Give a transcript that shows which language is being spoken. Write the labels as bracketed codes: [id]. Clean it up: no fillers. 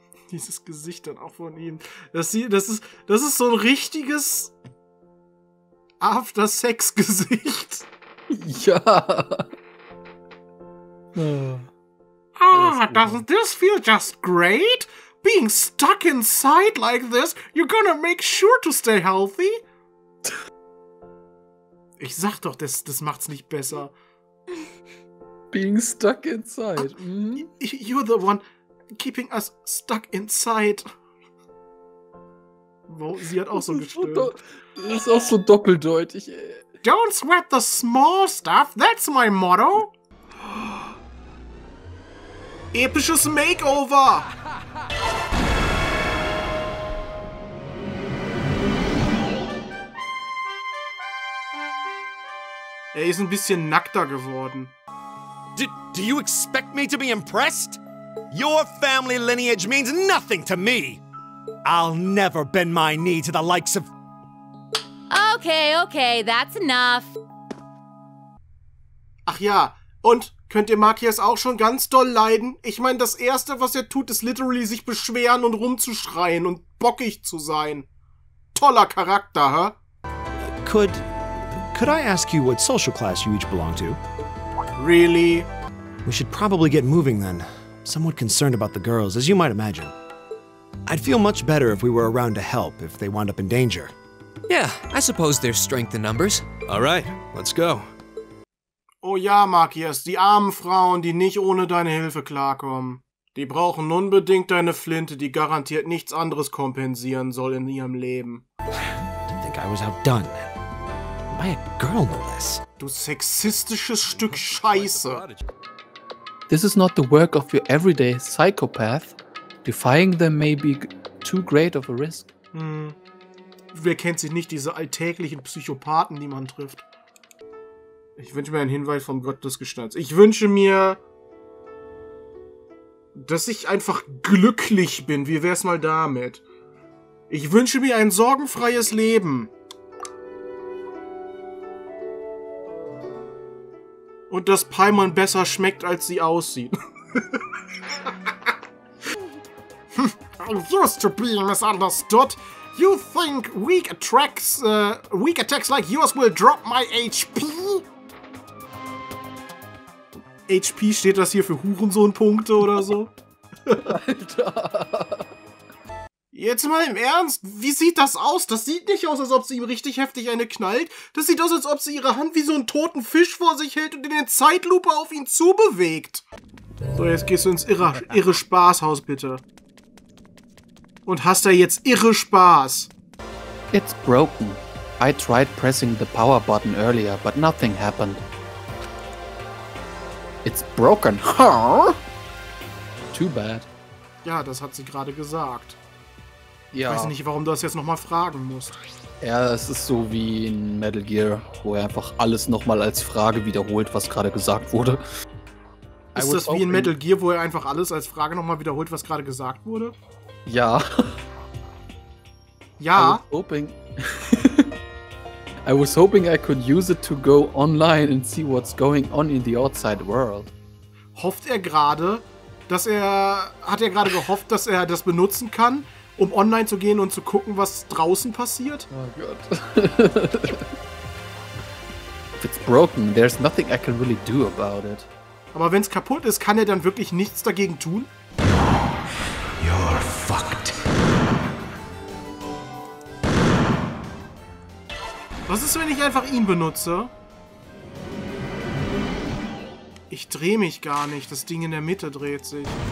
[de] Dieses Gesicht dann auch von ihm. Das ist so ein richtiges After-Sex-Gesicht. Ja. [en] Doesn't this feel just great? Being stuck inside like this, you're gonna make sure to stay healthy? [de] Ich sag doch, das macht's nicht besser. [en] Being stuck inside. You're the one keeping us stuck inside. [de] Wow, sie hat auch so gestöhnt. Das ist auch so doppeldeutig, ey. [en] Don't sweat the small stuff, that's my motto. [de] Episches Makeover! Er ist ein bisschen nackter geworden. [en] Do you expect me to be impressed? Your family lineage means nothing to me. I'll never bend my knee to the likes of... Okay, that's enough. [de] Ach ja, und könnt ihr Markias auch schon ganz doll leiden? Ich meine, das Erste, was er tut, ist literally sich beschweren und rumzuschreien und bockig zu sein. Toller Charakter, hä? [en] Could I ask you what social class you each belong to? Really? We should probably get moving then. Somewhat concerned about the girls, as you might imagine. I'd feel much better if we were around to help if they wound up in danger. Yeah, I suppose there's strength in numbers. All right, let's go. [de] Oh ja, Markias, die armen Frauen, die nicht ohne deine Hilfe klarkommen. Die brauchen unbedingt deine Flinte, die garantiert nichts anderes kompensieren soll in ihrem Leben. [en] I think I was outdone. By a girl, no less. [de] Du sexistisches Stück Scheiße. [en] This is not the work of your everyday psychopath. Defying them may be too great of a risk. [de] Wer kennt sich nicht, diese alltäglichen Psychopathen, die man trifft? Ich wünsche mir einen Hinweis vom Gott des Gestalts. Ich wünsche mir, dass ich einfach glücklich bin. Wie wär's mal damit? Ich wünsche mir ein sorgenfreies Leben. Und dass Paimon besser schmeckt, als sie aussieht. [en] I'm used to being misunderstood. You think weak attacks like yours will drop my HP? [de] HP, steht das hier für Hurensohn-Punkte oder so? Alter. Jetzt mal im Ernst, wie sieht das aus? Das sieht nicht aus, als ob sie ihm richtig heftig eine knallt. Das sieht aus, als ob sie ihre Hand wie so einen toten Fisch vor sich hält und in den Zeitlupe auf ihn zubewegt. So, jetzt gehst du ins irre Spaßhaus, bitte. Und hast da jetzt irre Spaß. [en] It's broken. I tried pressing the power button earlier, but nothing happened. It's broken, huh? Too bad. [de] Ja, das hat sie gerade gesagt. Ja. Ich weiß nicht, warum du das jetzt nochmal fragen musst. Ja, es ist so wie in Metal Gear, wo er einfach alles nochmal als Frage wiederholt, was gerade gesagt wurde. Ist das wie in Metal Gear, wo er einfach alles als Frage nochmal wiederholt, was gerade gesagt wurde? Ja. Ja. [en] I was hoping I could use it to go online and see what's going on in the outside world. [de] Hat er gerade gehofft, dass er das benutzen kann, um online zu gehen und zu gucken, was draußen passiert? Oh Gott. [en] If it's broken, there's nothing I can really do about it. [de] Aber wenn's kaputt ist, kann er dann wirklich nichts dagegen tun? [en] You're fucked. [de] Was ist, wenn ich einfach ihn benutze? Ich drehe mich gar nicht. Das Ding in der Mitte dreht sich.